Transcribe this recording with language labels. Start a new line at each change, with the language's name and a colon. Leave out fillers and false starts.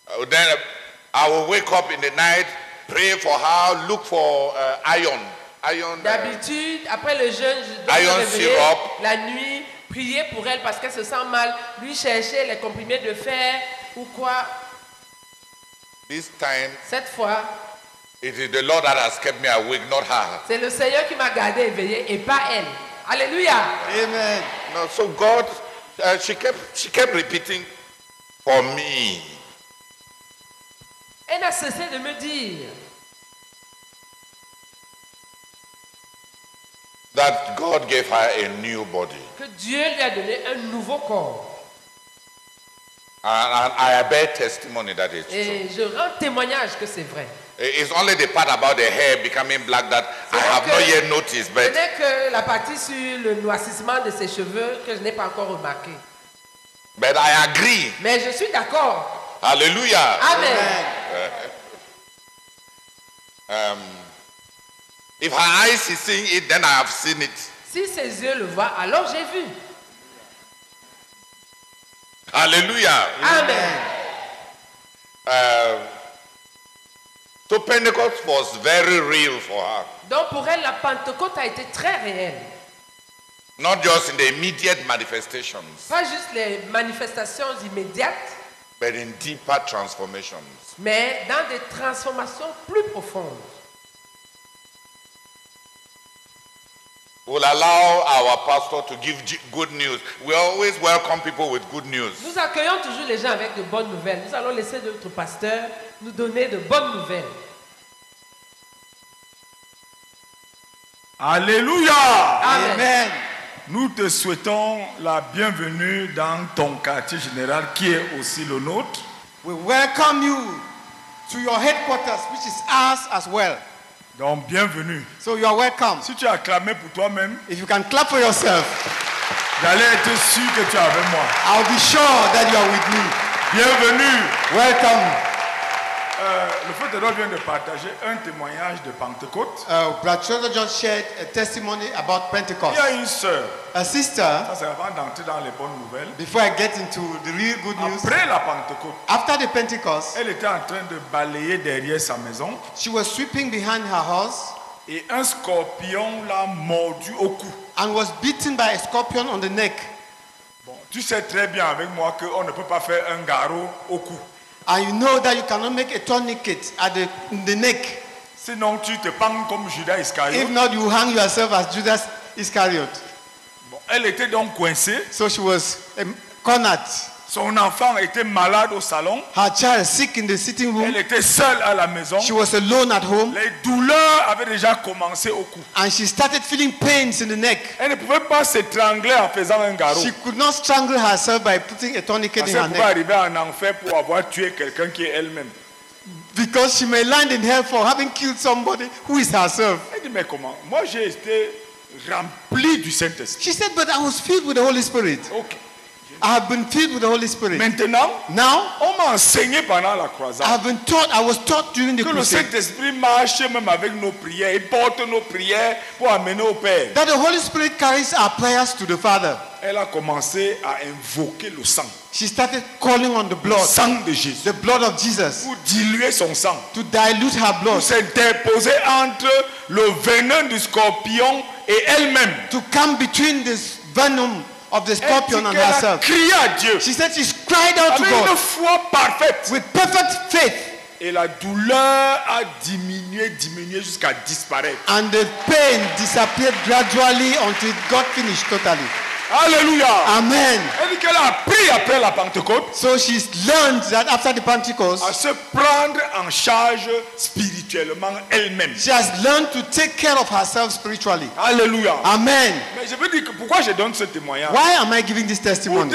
English: Then I will wake up in the night, pray for her, look for iron.
French: D'habitude, après le jeûne, je dois iron me réveiller syrup. La nuit, prier pour elle parce qu'elle se sent mal, lui chercher les comprimés de fer ou quoi.
English: This time,
French: cette fois,
English: it is the Lord that has kept me awake, not her.
French: C'est le Seigneur qui m'a gardé éveillé et pas elle. Alléluia.
English: Amen. No, so God, she kept repeating for me.
French: Elle a cessé de me dire
English: that God gave her a new body.
French: Que Dieu lui a donné un nouveau corps.
English: And I bear testimony that it's true.
French: Et je rends témoignage que c'est vrai.
English: It's only the part about the hair becoming black that I have not yet noticed. But
French: ce n'est que la partie sur le noircissement de ses cheveux que je n'ai pas encore remarqué.
English: But I agree.
French: Mais je suis d'accord. Alléluia. Amen.
English: If her eyes is seeing it, then I have seen it.
French: Si ses yeux le voient, alors j'ai vu. Alléluia. Amen.
English: So Pentecost was very real for her.
French: Donc pour elle, la Pentecôte a été très réelle.
English: Not just in the immediate manifestations.
French: Pas juste les manifestations immédiates.
English: But in deeper transformations.
French: Mais dans des transformations plus profondes.
English: We'll allow our pastor to give good news. We always welcome people with good news.
French: Nous accueillons toujours les gens avec de bonnes nouvelles. Nous allons laisser notre pasteur nous donner de bonnes nouvelles. Alléluia! Amen. Amen! Nous te souhaitons la bienvenue dans ton quartier général qui est aussi le nôtre.
English: We welcome you to your headquarters, which is ours as well.
French: Donc, bienvenue.
English: So you are welcome.
French: Si tu as clamé pour toi-même,
English: if you can clap for yourself,
French: j'allais être sûr que tu es avec moi.
English: I'll be sure that you are with me.
French: Bienvenue!
English: Welcome!
French: Le frère Dodo vient de partager un témoignage de Pentecôte.
English: Brother just shared a testimony about Pentecost.
French: Il y a une sœur.
English: A sister.
French: Ça c'est avant d'entrer dans les bonnes nouvelles.
English: Before I get into the real good news.
French: Après la Pentecôte.
English: After the Pentecost.
French: Elle était en train de balayer derrière sa maison.
English: She was sweeping behind her house.
French: Et un scorpion l'a mordu au cou.
English: And was beaten by a scorpion on the neck.
French: Bon, tu sais très bien avec moi que on ne peut pas faire un garrot au cou.
English: And you know that you cannot make a tourniquet at the neck.
French: Sinon, tu te pends comme Judas Iscariot.
English: If not, you hang yourself as Judas Iscariot.
French: Bon, elle était donc coincée.
English: So she was cornered.
French: Son enfant était malade au salon.
English: Her child sick in the sitting room.
French: Elle était seule à la maison.
English: She was alone at home.
French: Les douleurs avaient déjà commencé au cou.
English: And she started feeling pains in the neck.
French: Elle ne pouvait pas s'étrangler en faisant un garrot.
English: She could not strangle herself by putting a tourniquet in her neck.
French: Elle pouvait arriver en enfer pour avoir tué quelqu'un qui est elle-même.
English: Because she may land in hell for having killed somebody who is herself.
French: Elle dit, mais comment? Moi j'ai été rempli du Saint-Esprit.
English: She said, but I was filled with the Holy Spirit. Okay. I have been filled with the Holy Spirit.
French: Maintenant,
English: now,
French: on m'a enseigné pendant la croisade.
English: I have been taught, I was taught during the crusade.
French: Que le Saint-Esprit marche même avec nos prières, il porte nos prières pour amener au Père.
English: That the Holy Spirit carries our prayers to the Father.
French: Elle a commencé à invoquer le sang.
English: She started calling on the blood.
French: Le sang de Jésus.
English: The blood of Jesus.
French: Pour diluer son sang.
English: To dilute her blood.
French: Pour s'interposer entre le venin du scorpion et elle-même.
English: To come between this venom of the scorpion and herself. She said she cried out
French: avec
English: to God
French: une foi parfaite.
English: With perfect faith.
French: Et la douleur a diminué jusqu'à disparaître.
English: And the pain disappeared gradually until it got finished totally. Alléluia. Amen.
French: Elle dit qu'elle a appris après la Pentecôte.
English: So she's learned that after the Pentecost,
French: à se prendre en charge spirituellement elle-même.
English: She has learned to take care of herself spiritually. Alléluia. Amen.
French: Mais je veux dire que pourquoi je donne ce témoignage?
English: Why am I giving this testimony?